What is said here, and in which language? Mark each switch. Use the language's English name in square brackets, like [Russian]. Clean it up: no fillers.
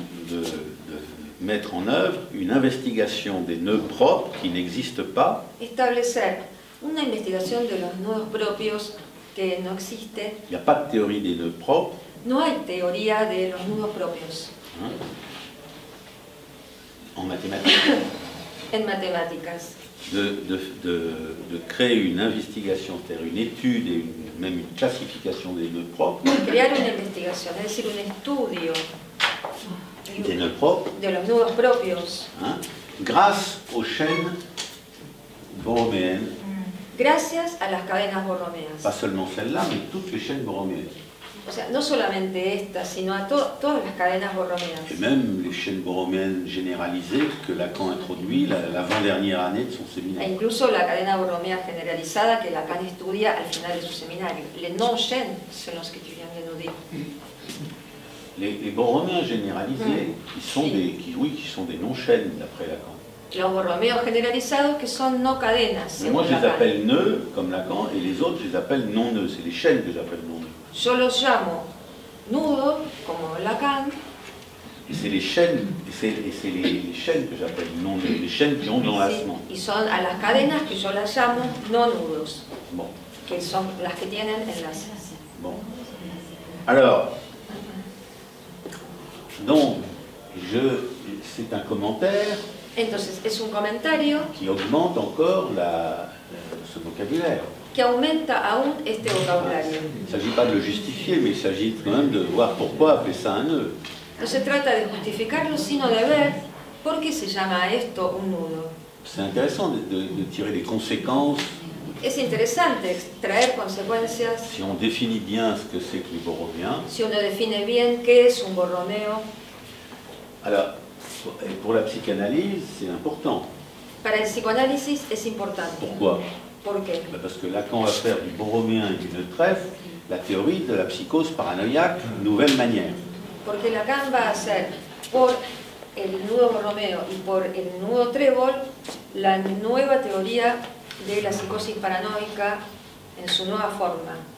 [French] de mettre en œuvre une investigation des nœuds propres qui n'existent pas. [Spanish] Establecer una investigación de los nudos propios que no existe. [French] Il n'y a pas de théorie des nœuds propres. [Spanish] No hay teoría de los nudos propios. [French] Hein? En mathématiques. [Spanish] En matemáticas. [French] De créer une investigation, c'est-à-dire une étude et même une classification des nœuds propres. [Spanish] Crear una investigación, es decir, un estudio. [French] Des nœuds propres, [Spanish] de los nudos propios, [French] hein, grâce aux chaînes borroméennes, [Spanish] gracias a las cadenas borroméennes, [French] pas seulement celle-là, mais toutes les chaînes borroméennes, [Spanish] o sea, no solamente esta, sino a todas las cadenas borroméennes, [French] et même les chaînes borroméennes généralisées que Lacan introduit l'avant-dernière année de son séminaire, [Spanish] e incluso la cadena borroméenne generalizada que Lacan estudia al final de su seminario, [French] les non-chaînes, selon ce que tu viens de nous dire. Les borroméens généralisés, qui sont des non-chaînes, d'après Lacan. [Spanish] Los borroméos generalizados, que son no cadenas. [French] Moi, je les appelle nœuds, comme Lacan, et les autres, je les appelle non-nœuds. C'est les chaînes que j'appelle non-nœuds. [Spanish] Yo los llamo nudo, como Lacan. [French] Et c'est les chaînes que j'appelle non-nœuds, les chaînes qui ont de l'enlacement. [Spanish] Y son a las cadenas que yo las llamo non-nudos. [French] Bon. [Spanish] Que son las que tienen enlaces. [French] Bon. Alors. Donc, c'est un commentaire. [Spanish] Entonces, es un comentario [French] qui augmente encore ce vocabulaire. [Spanish] Que aumenta aún este vocabulario. [French] Il ne s'agit pas de le justifier, mais il s'agit quand même de voir pourquoi appeler ça un nœud. [Spanish] No se trata de justificarlo, sino de ver por qué se llama esto un nudo. [French] C'est intéressant de tirer les conséquences. [Spanish] es interesante extraer consecuencias. [French] Si on définit bien ce que c'est que le borromeo. [Spanish] Si uno define bien qué es un borromeo. [French] Alors, pour la psychanalyse, c'est important. [Spanish] Para el psicoanálisis es importante. [French] Pourquoi? [Spanish] ¿Por qué? [French] Ben parce que Lacan va faire du borromeo et du neutref la théorie de la psychose paranoïaque d'une nouvelle manière. [Spanish] Porque Lacan va a hacer por el nudo borromeo y por el nudo trébol la nueva teoría de la psicosis paranoica en su nueva forma.